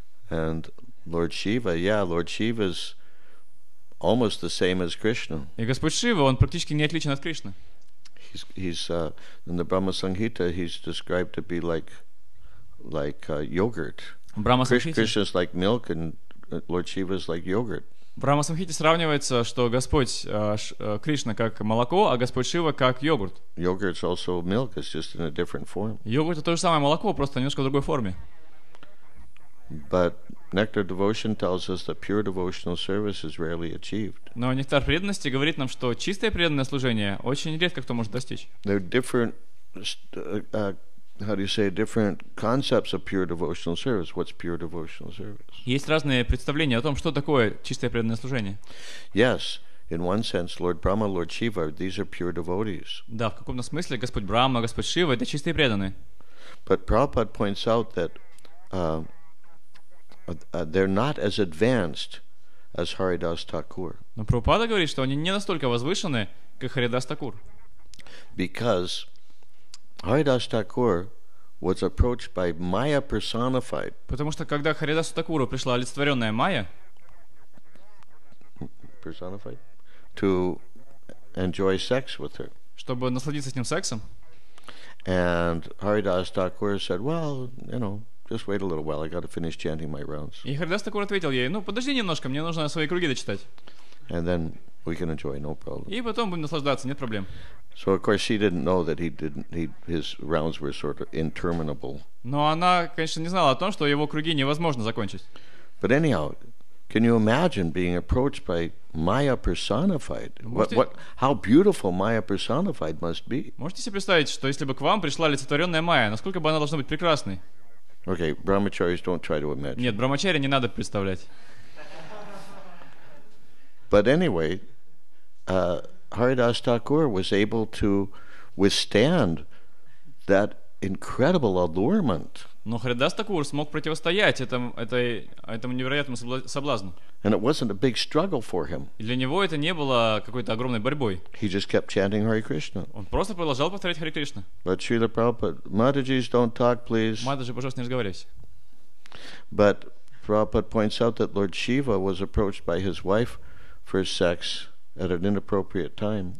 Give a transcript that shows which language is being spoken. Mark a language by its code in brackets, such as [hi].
[en] And Lord Shiva, yeah, Lord Shiva's almost the same as Krishna. [ru] И Господь Шива, он практически не отличен от Кришны. [en] He's in the Brahma Sanghita, he's described to be like yogurt. Brahma Sanghita. Krishna's like milk, and Lord Shiva's like yogurt. [ru] В Брахма Самхите сравнивается, что Господь Кришна как молоко, а Господь Шива как йогурт. [en] Yogurt's also milk, it's just in a different form. [ru] Йогурт — это то же самое молоко, просто немножко в другой форме. [en] But nectar devotion tells us that pure devotional service is rarely achieved. [ru] Но нектар преданности говорит нам, что чистое преданное служение очень редко кто может достичь. [en] There are different, different concepts of pure devotional service. What's pure devotional service? [ru] Есть разные представления о том, что такое чистое преданное служение. [en] Yes, in one sense, Lord Brahma, Lord Shiva, these are pure devotees. [ru] Да, в каком-то смысле Господь Брахма, Господь Шива — это чистые преданные. [en] But Prabhupada points out that they're not as advanced as Haridas Thakur. [ru] Но Прабхупада говорит, что они не настолько возвышены, как Харидас Такур. [en] Because Haridas Thakur was approached by Maya personified. [ru] Потому что когда Харидасу Такуру пришла олицетворенная Майя, [en] personified, to enjoy sex with her. [ru] Чтобы насладиться с ним сексом. [en] And Haridas Thakur said, well, you know, just wait a little while. I got to finish chanting my rounds. [ru] И Харидас Такур ответил ей: "Ну, подожди немножко, мне нужно свои круги дочитать." [en] And then we can enjoy, no problem. [ru] И потом будем наслаждаться, нет проблем. [en] So of course she didn't know that his rounds were sort of interminable. [ru] Но она, конечно, не знала о том, что его круги невозможно закончить. [en] But anyhow, can you imagine being approached by Maya personified? What? How beautiful Maya personified must be? [ru] Можете себе представить, что если бы к вам пришла олицетворенная Майя, насколько бы она должна быть прекрасной? [en] Okay, brahmacharis, don't try to imagine. [ru] Нет, брахмачари не надо представлять. [en] But anyway, Haridas Thakur was able to withstand that incredible allurement. [ru] Но Харидас Такур смог противостоять этому невероятному соблазну. [en] And it wasn't a big struggle for him. [ru] Для него это не было какой-то огромной борьбой. [en] He just kept chanting Hare Krishna. [ru] Он просто продолжал повторять Харе Кришна. [en] But Srila Prabhupada, Matajis, don't talk, please. [ru] Матаджи, пожалуйста, не разговаривайте. [en] But Prabhupada points out that Lord Shiva was approached by his wife for sex at an inappropriate time.